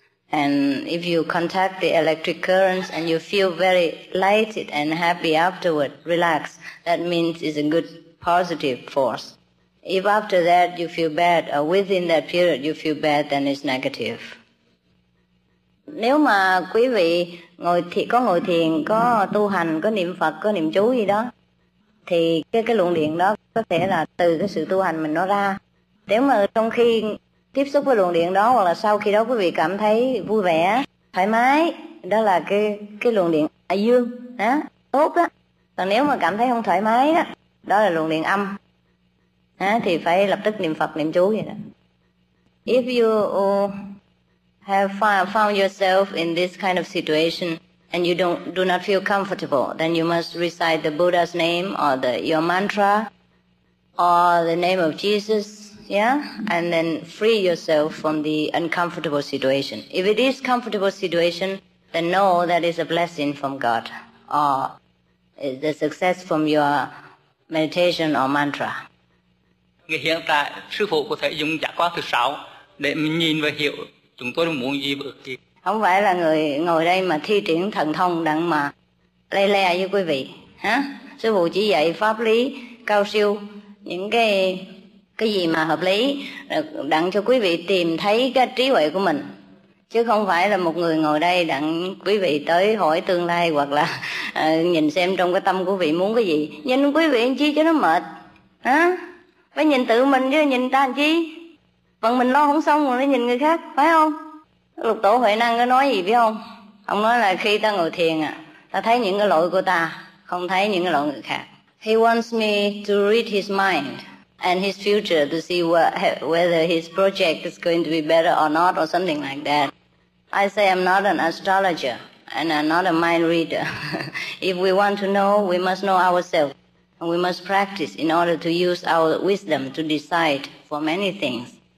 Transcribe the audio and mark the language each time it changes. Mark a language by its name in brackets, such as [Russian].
[English] And if you contact the electric currents and you feel very lighted and happy afterward, relaxed, that means it's a good positive force. If after that you feel bad, or within that period you feel bad, then it's negative. [Vietnamese] Nếu mà quý vị ngồi thiền, có ngồi thiền, có tu hành, có niệm Phật, có niệm chú gì đó, thì cái luồng điện đó có thể là từ cái sự tu hành mình nó ra. Nếu mà trong khi tiếp xúc với luồng điện đó, hoặc là sau khi đó quý vị cảm thấy vui vẻ, thoải mái, đó là cái luồng điện dương, á, tốt đó. Còn nếu mà cảm thấy không thoải mái đó, đó là luồng điện âm. Thì phải lập tức niệm Phật, niệm chú vậy đó. [English] If you have found yourself in this kind of situation and you do not feel comfortable, then you must recite the Buddha's name or your mantra or the name of Jesus, yeah? And then free yourself from the uncomfortable situation. If it is comfortable situation, then know that is a blessing from God or the success from your meditation or mantra. [Vietnamese] Ngày hiện tại, sư phụ có thể dùng giác quan thứ sáu để mình nhìn và hiểu chúng tôi muốn gì ở kia. Không phải là người ngồi đây mà thi triển thần thông đặng mà lê lê với quý vị. Hả? Sư phụ chỉ dạy pháp lý cao siêu, những cái gì mà hợp lý, đặng cho quý vị tìm thấy cái trí huệ của mình. Chứ không phải là một người ngồi đây đặng quý vị tới hỏi tương lai hoặc là nhìn xem trong cái tâm của quý vị muốn cái gì. Nhìn quý vị làm chi cho nó mệt. Hả? Phải nhìn tự mình chứ nhìn ta làm chi? Bằng mình lo không xong rồi nhìn người khác, phải không? Lục Tổ Huệ Năng có nói gì biết không? Ông nói là khi ta ngồi thiền à, ta thấy những cái lỗi của ta, không thấy những cái lỗi người khác. [English] He wants me to read his mind and his future to see whether his project is going to be better or not or something like that. I say I'm not an astrologer and I'm not a mind reader. If we want to know, we must know ourselves. And we must practice in order to use our wisdom to decide for many things.